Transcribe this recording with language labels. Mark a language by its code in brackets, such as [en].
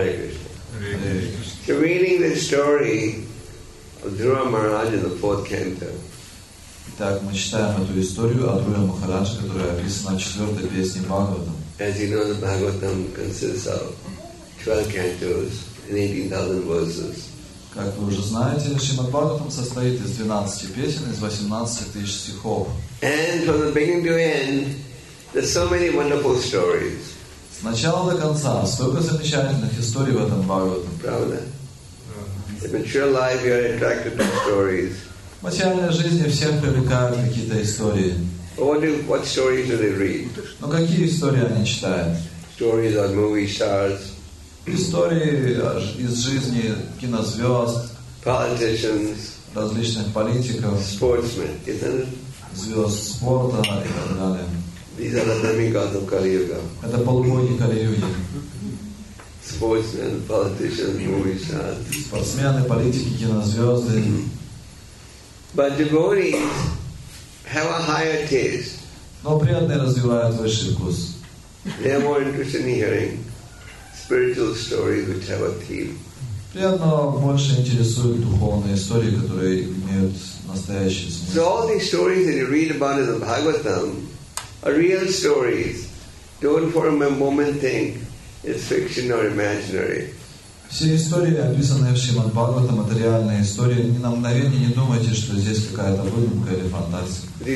[en] So reading this story of Dhruva Maharaj in the fourth canto. [ru] Так мы читаем эту историю о Друве Махарадже, которая описана в четвертой песне Бхагаватам. [en] As you know, the Bhagavatam consists of 12 cantos and 18,000 verses. [ru] Как вы уже знаете, Шримад Бхагаватам состоит из 12 песен и 18,000 стихов. [en] And from the beginning to end, there's so many wonderful stories. [ru] С начала до конца столько замечательных историй в этом Бхагаватам. Правда? [en] If it's your life, you're attracted to stories. [ru] В материальной жизни всех привлекают какие-то истории. [en] What stories do they read? [ru] Но какие истории они читают? [en] Stories of movie stars. [ru] Истории из жизни кинозвезд. [en] Politicians. [ru] Различных политиков. [en] Sportsmen, isn't it? [ru] Звезд спорта и так далее. Это полубоги Кали-юга. Это полубоги Кали-юги. Спортсмены, политические мужчины. Спортсмены, политики, кинозвезды. [en] But devotees have a higher taste. [ru] Но преданные развивают высший вкус. [en] They are more interested in hearing spiritual stories which have a theme. [ru] Преданного больше интересуют духовные истории, которые имеют настоящий смысл. [en] So all these stories that you read about in the Bhagavatam are real stories. Don't for a moment think it's fiction or imaginary. [ru] Все истории, описанные в Шримад-Бхагаватам, это реальные истории. Ни на мгновение не думайте, что здесь какая-то выдумка или фантастика.